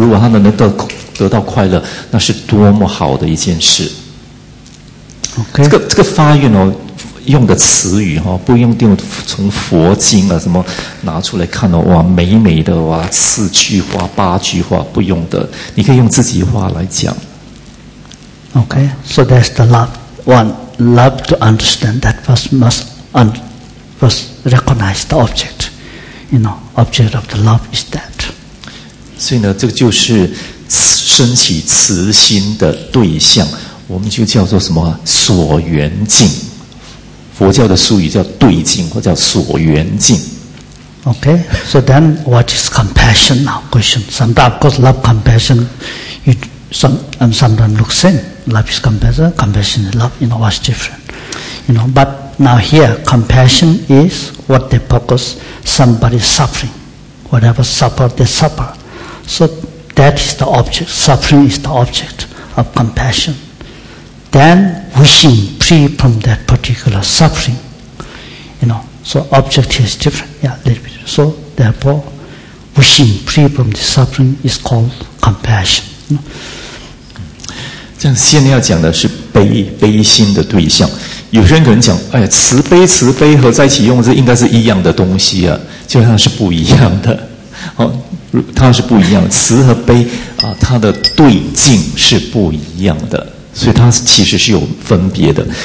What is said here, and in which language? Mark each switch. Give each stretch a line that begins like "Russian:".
Chinese: 如果他能得到快乐，那是多么好的一件事。
English: Okay.
Chinese: 这个发愿哦。用的词语哈，不用定从佛经啊什么拿出来看哦，哇，美美的哇，四句话、八句话不用的，你可以用自己话来讲。
English: Okay, so that's the love. One love to understand that first must recognize the object. You know, object of the love is that.
Chinese: 所以呢，这个就是升起慈心的对象，我们就叫做什么所缘境。佛教的术语叫对境，或叫所缘境。
English: Okay, so then what is compassion now? Question. Sometimes, of course, love, compassion, sometimes look same. Love is compassion, compassion is love, you know, what's different? You know, but now here, compassion is what they focus, somebody suffering. Whatever suffer, they suffer. So that is the object, suffering is the object of compassion. Then wishing free from that particular suffering, you know. So object is different, yeah, little bit. So therefore, wishing free from the suffering is called compassion. You know?
Chinese: 这样现在要讲的是悲心的对象。有些人可能讲，哎呀，慈悲和在一起用，这应该是一样的东西啊，就像是不一样的。哦，它是不一样的，慈和悲啊，它的对境是不一样的，所以它其实是有分别的。